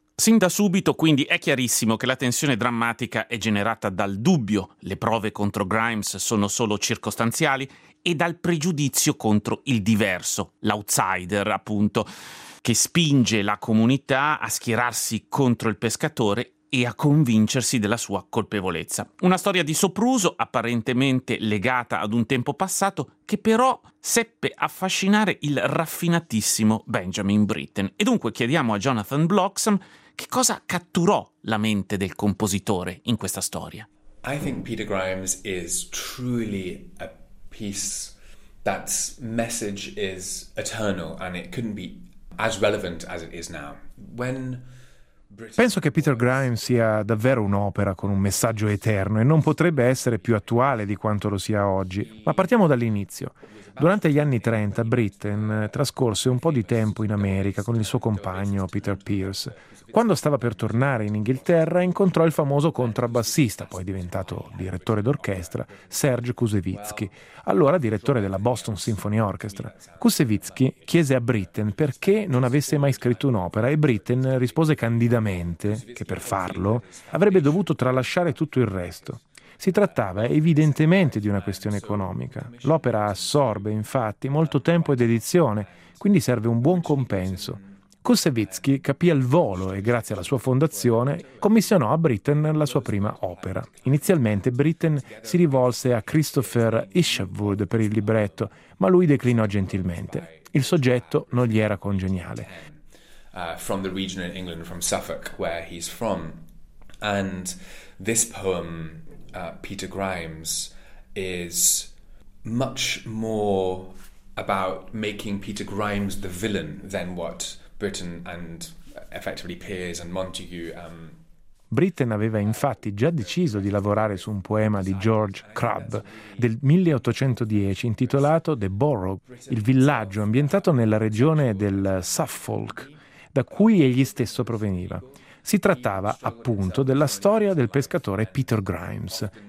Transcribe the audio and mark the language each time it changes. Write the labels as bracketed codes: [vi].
[it] Sin da subito, quindi, è chiarissimo che la tensione drammatica è generata dal dubbio, le prove contro Grimes sono solo circostanziali, e dal pregiudizio contro il diverso, l'outsider, appunto, che spinge la comunità a schierarsi contro il pescatore e a convincersi della sua colpevolezza. Una storia di sopruso, apparentemente legata ad un tempo passato, che però seppe affascinare il raffinatissimo Benjamin Britten. E dunque chiediamo a Jonathan Bloxam che cosa catturò la mente del compositore in questa storia? [en] I think Peter Grimes is truly a piece that's message is eternal and it couldn't be as relevant as it is now. When [it] Penso che Peter Grimes sia davvero un'opera con un messaggio eterno e non potrebbe essere più attuale di quanto lo sia oggi. Ma partiamo dall'inizio. Durante gli anni 30, Britten trascorse un po' di tempo in America con il suo compagno Peter Pierce. Quando stava per tornare in Inghilterra, incontrò il famoso contrabbassista, poi diventato direttore d'orchestra, Serge Koussevitzky, allora direttore della Boston Symphony Orchestra. Koussevitzky chiese a Britten perché non avesse mai scritto un'opera e Britten rispose candidamente che per farlo avrebbe dovuto tralasciare tutto il resto. Si trattava evidentemente di una questione economica. L'opera assorbe infatti molto tempo e dedizione, quindi serve un buon compenso. Koussevitzky capì al volo e grazie alla sua fondazione commissionò a Britten la sua prima opera. Inizialmente Britten si rivolse a Christopher Isherwood per il libretto, ma lui declinò gentilmente. Il soggetto non gli era congeniale. [en] From the region in England, from Suffolk, where he's from. And this poem, Peter Grimes, is much more about making Peter Grimes the villain than what Britten and effectively Piers and Montague. [it] Britten aveva infatti già deciso di lavorare su un poema di George Crabbe del 1810 intitolato The Borough, il villaggio ambientato nella regione del Suffolk, da cui egli stesso proveniva. Si trattava appunto della storia del pescatore Peter Grimes.